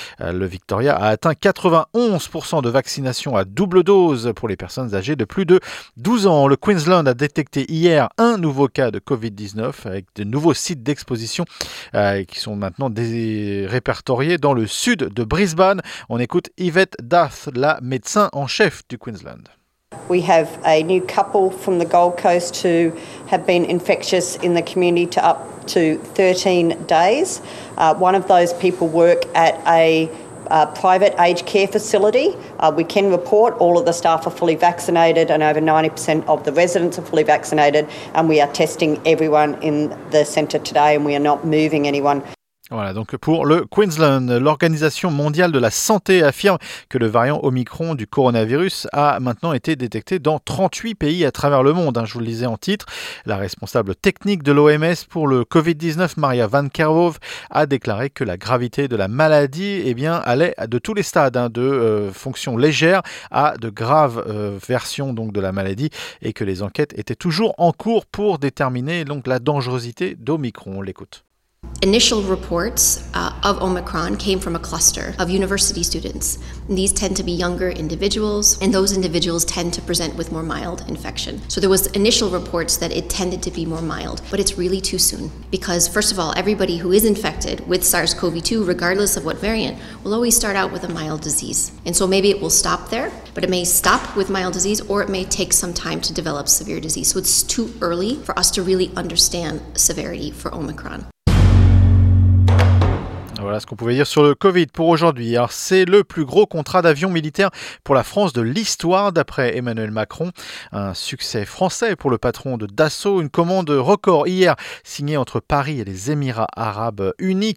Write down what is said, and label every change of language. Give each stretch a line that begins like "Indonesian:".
French: Le Victoria a atteint 91% de vaccination à double dose pour les personnes âgées de plus de 12 ans. Le Queensland a détecté hier un nouveau cas de COVID-19 avec de nouveaux sites d'exposition qui sont maintenant répertoriés dans le sud de Brisbane. On écoute Yvette Dath, la médecin en chef du Queensland.
English: We have a new couple from the Gold Coast who have been infectious in the community to up to 13 days. One of those people work at a private aged care facility. We can report all of the staff are fully vaccinated and over 90% of the residents are fully vaccinated and we are testing everyone in the centre today and we are not moving anyone.
French: Voilà, donc pour le Queensland, l'Organisation mondiale de la santé affirme que le variant Omicron du coronavirus a maintenant été détecté dans 38 pays à travers le monde. Je vous le disais en titre, la responsable technique de l'OMS pour le COVID-19, Maria Van Kerkhove, a déclaré que la gravité de la maladie allait de tous les stades, fonctions légères à de graves versions donc, de la maladie et que les enquêtes étaient toujours en cours pour déterminer donc, la dangerosité d'Omicron. On l'écoute.
English: Initial reports of Omicron came from a cluster of university students. And these tend to be younger individuals, and those individuals tend to present with more mild infection. So there was initial reports that it tended to be more mild, but it's really too soon. Because first of all, everybody who is infected with SARS-CoV-2, regardless of what variant, will always start out with a mild disease. And so maybe it will stop there, but it may stop with mild disease, or it may take some time to develop severe disease. So it's too early for us to really understand severity for Omicron.
French: Voilà ce qu'on pouvait dire sur le Covid pour aujourd'hui. Alors, c'est le plus gros contrat d'avion militaire pour la France de l'histoire, d'après Emmanuel Macron. Un succès français pour le patron de Dassault. Une commande record hier, signée entre Paris et les Émirats Arabes Unis.